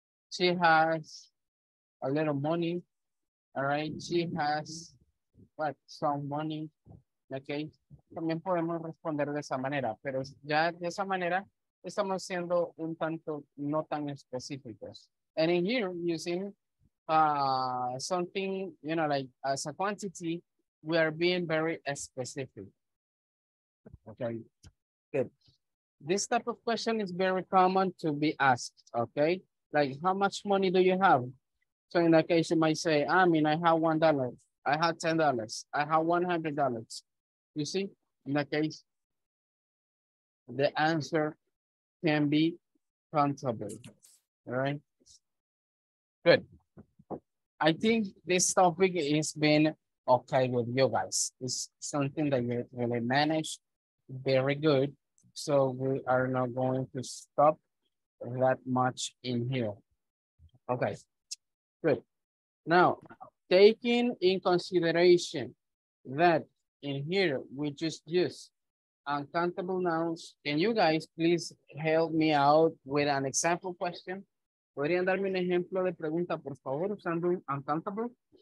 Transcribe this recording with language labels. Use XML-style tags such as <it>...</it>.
<en>She has a little money. All right. She has some money. Okay.</en> <es>También podemos responder de esa manera, pero ya de esa manera estamos siendo un tanto no tan específicos.</es> <en>And in here, using something, you know, like as a quantity, we are being very specific. Okay. Good. This type of question is very common to be asked. Okay. Like, how much money do you have? So in that case, you might say, I have $1. I have $10. I have $100. You see, in that case, the answer can be countable. All right. Good. I think this topic has been okay with you guys. It's something that you really managed very good. So we are not going to stop that much in here. Okay, good. Now, taking in consideration that in here, we just use uncountable nouns. Can you guys please help me out with an example question?</en> <es>¿Podrían darme un ejemplo de pregunta, por favor, usando uncountable?</es>